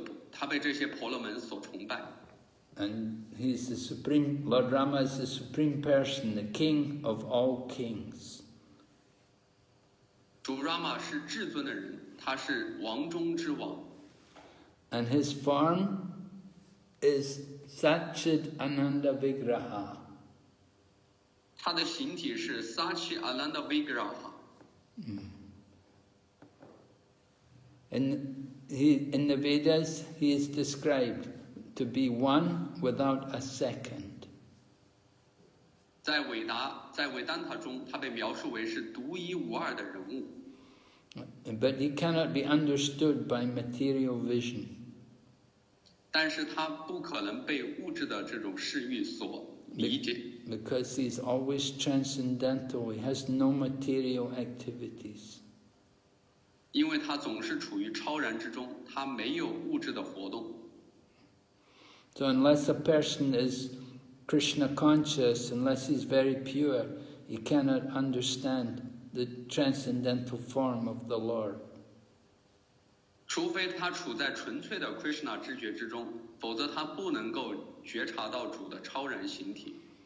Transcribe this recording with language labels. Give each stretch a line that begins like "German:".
Chinese: 他被这些婆罗门所崇拜。
English: And he's the supreme, Lord Rama is the supreme person, the king of all kings.
Chinese: 主 Rama 是至尊的人，他是王中之王。
English: And his form is Sachid Ananda Vigraha.
Chinese: 他的形体是 Sachid Ananda Vigraha.
English: In the Vedas, he is described. To be one without a second.
Chinese: 在维丹塔中，他被描述为是独一无二的人物。
English: But he cannot be understood by material vision.
Chinese: 但是他不可能被物质的这种视域所理解。
English: Because he is always transcendental, he has no material activities.
Chinese: 因为他总是处于超然之中，他没有物质的活动。
English: So unless a person is Krishna conscious, unless he's very pure, he cannot understand the transcendental form of the Lord.
Chinese: 除非他处在纯粹的 Krishna 知觉之中，否则他不能够觉察到主的超然形体。